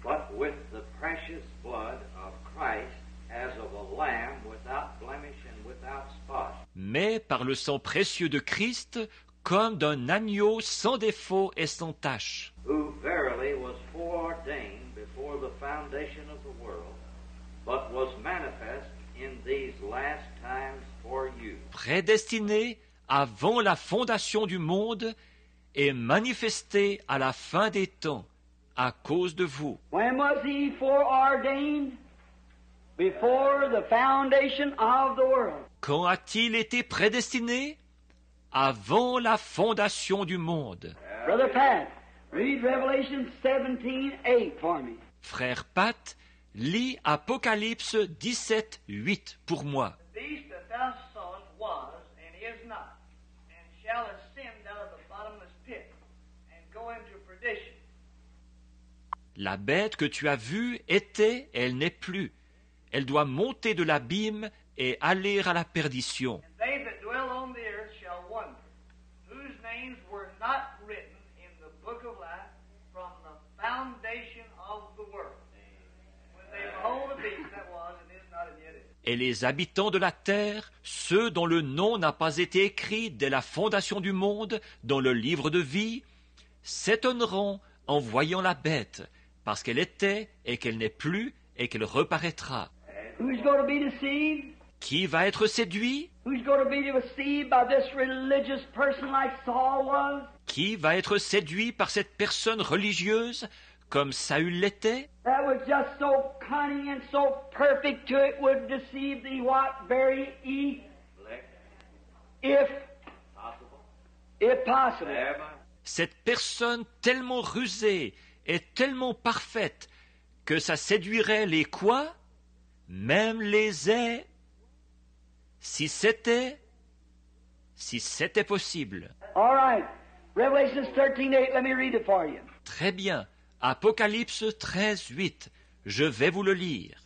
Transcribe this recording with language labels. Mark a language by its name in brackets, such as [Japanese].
[English] But with the precious blood of Christ, as of a lamb without blemish and without spot. [French] Mais par le sang précieux de Christ, comme d'un agneau sans défaut et sans tache. [English] Who verily was foreordained before the foundation of the world, but was manifest in these last times for you. [French] Prédestiné avant la fondation du monde, est manifesté à la fin des temps à cause de vous. [English] When was he foreordained? Before the foundation of the world. [French] Quand a-t-il été prédestiné? Avant la fondation du monde. [English] Brother Pat, read Revelation 17:8 for me. [French] Frère Pat, lis Apocalypse 17:8 pour moi. [English] The beast that thou sawest was and is not, and shall ascend out of the bottomless pit and go into perdition. [French] La bête que tu as vue était, elle n'est plus. Elle doit monter de l'abîme et aller à la perdition. [English] And they that dwell on the earth shall wonder, whose names were not written in the book of life from the foundation of the world. When they behold the beast that was and is not and yet is. [French] Et les habitants de la terre, ceux dont le nom n'a pas été écrit dès la fondation du monde dans le livre de vie, s'étonneront en voyant la bête, parce qu'elle était et qu'elle n'est plus et qu'elle reparaîtra. [English] Who's going to be deceived? [French] Qui va être séduit? [English] Who's going to be deceived by this religious person like Saul was? [French] Qui va être séduit par cette personne religieuse comme Saül l'était? [English] That was just so cunning and so perfect to it would deceive thee what very e if possible. [French] Cette personne tellement rusée et tellement parfaite que ça séduirait les quoi? Même les est, si c'était possible. [English] All right. Revelation 13:8, let me read it for you. [French] Très bien. Apocalypse 13:8, je vais vous le lire.